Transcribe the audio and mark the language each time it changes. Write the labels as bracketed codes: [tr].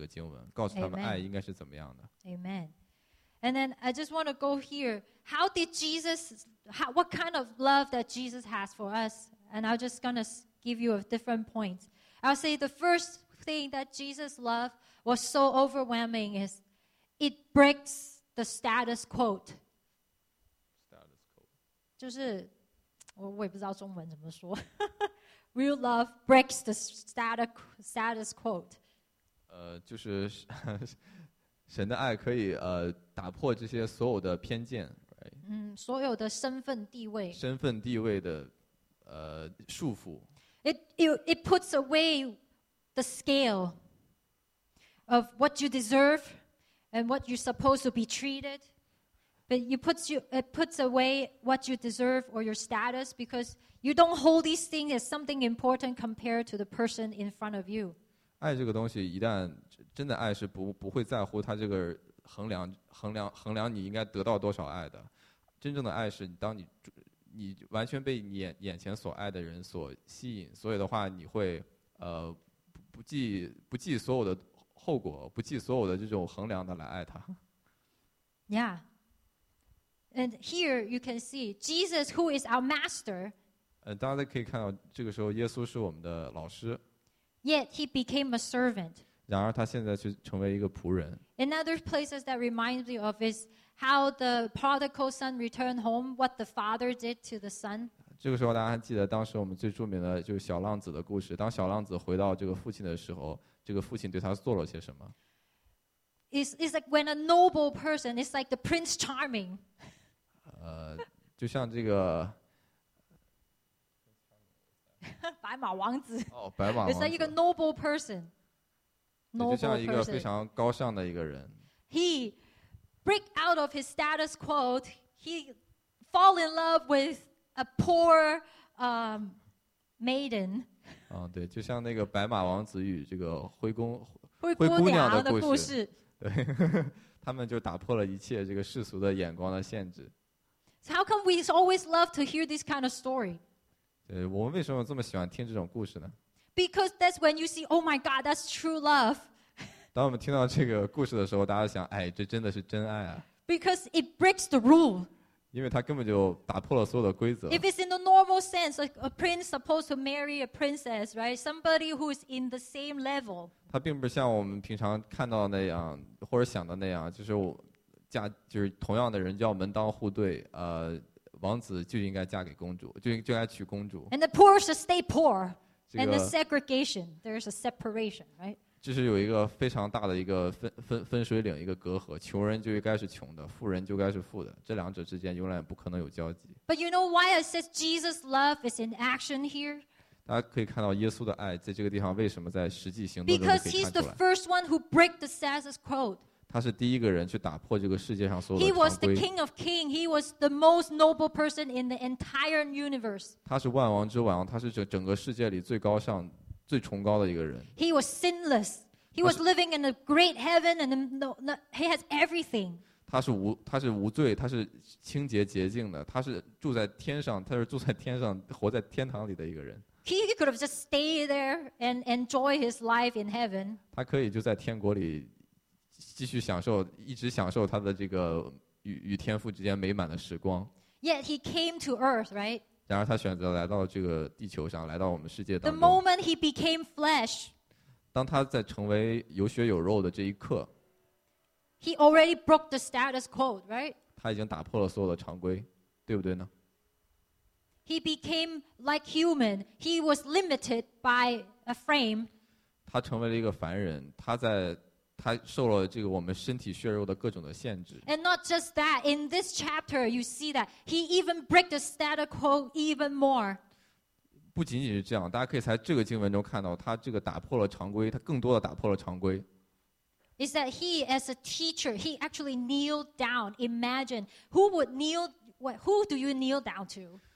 [zh] 大家可以看到，其实这两组经文中间是有联系的。这个在哥伦多前书这一段经文告诉大家爱是什么样子的，但是在这个约翰福音第十三章，耶稣是用他的实际行动来彰显了这个经文，告诉他们爱应该是怎么样的。Amen. [en] And then I just want to go here. How did Jesus? What kind of love that Jesus has for us? And I'm just gonna give you a different point. I'll say the first thing that Jesus' love was so overwhelming is it breaks the status quo. Status quo. [zh] 就是我也不知道中文怎么说. [en] Real love breaks the status quo. [zh] 就是神的爱可以打破这些所有的偏见、 [en] right? [zh] 所有的身份地位的束缚 [en] it puts away the scale of what you deserve and what you're supposed to be treated but it puts away what you deserve or your status because you don't hold these things as something important compared to the person in front of you [zh] 爱这个东西一旦真的爱是 不会在乎他这个衡量你应该得到多少爱的真正的爱是当你完全被你眼前所爱的人所吸引所以的话你会不计所有的后果不计所有的这种衡量的来爱他 [en] Yeah And here you can see Jesus who is our master [zh] 大家可以看到这个时候耶稣是我们的老师 [en] Yet he became a servant [zh] 然而他现在却成为一个仆人 [en] Another places that reminds me of is how the prodigal son returned home what the father did to the son [zh] 这个时候大家还记得当时我们最著名的就是小浪子的故事当小浪子回到这个父亲的时候这个父亲对他做了些什么 [en] It's like when a noble person it's like the prince charming [zh] 就像这个白马王子哦，白马王子 It's like a noble person 就像一个非常高尚的一个人 He break out of his status quo He fall in love with a poor maiden 对就像那个白马王子与这个灰姑娘的故事对他们就打破了一切这个世俗的眼光的限制 [en] So how come we always love to hear this kind of story? [zh] 对我们为什么这么喜欢听这种故事呢 [en] Because that's when you see, oh my God, that's true love. [zh] 当我们听到这个故事的时候，大家想，哎，这真的是真爱啊。 [en] Because it breaks the rule. [zh] 因为它根本就打破了所有的规则。 [en] If it's in the normal sense, like a prince supposed to marry a princess, right? Somebody who's in the same level. [zh] 它并不是像我们平常看到那样或者想的那样，就是嫁就是同样的人叫门当户对，王子就应该嫁给公主，就应该娶公主。 [en] And the poor should stay poor. And the segregation, there's a separation, right? [zh] 这是有一个非常大的一个分水岭，一个隔阂。穷人就应该是穷的，富人就该是富的，这两者之间永远不可能有交集。 [en] But you know why I said Jesus' love is in action here? [zh] 大家可以看到耶稣的爱在这个地方为什么在实际行动中 [en] Because he's the first one who break the status quo. [zh] 他是第一个人去打破这个世界上所有的常规。 [en] He was the king of kings. He was the most noble person in the entire universe. [zh] 他是万王之王，他是整个世界里最高尚、最崇高的一个人。 [en] He was sinless. He was living in a great heaven, and he has everything. [zh] 他是无罪，他是清洁洁净的，他是住在天上，他是住在天上，活在天堂里的一个人。 [en] He could have just stayed there and enjoy his life in heaven. [zh] 他可以就在天国里。继续享受，一直享受他的这个与天父之间美满的时光。 [en] Yet he came to earth, right? [zh] 然而他选择来到这个地球上，来到我们世界当中。 [en] The moment he became flesh, [zh] 当他在成为有血有肉的这一刻 [en] ，he already broke the status quo, right? [zh] 他已经打破了所有的常规，对不对呢 [en] ？He became like human. He was limited by a frame. [zh] 他成为了一个凡人，他在。他受了这个我们身体血肉的各种的限制。 [en] And not just that, in this chapter, you see that he even break the status quo even more. [zh] 不仅仅是这样，大家可以在这个经文中看到，他这个打破了常规，他更多的打破了常规。 [en] Is that he, as a teacher, he actually kneeled down. Imagine who would kneel, who do you kneel down to?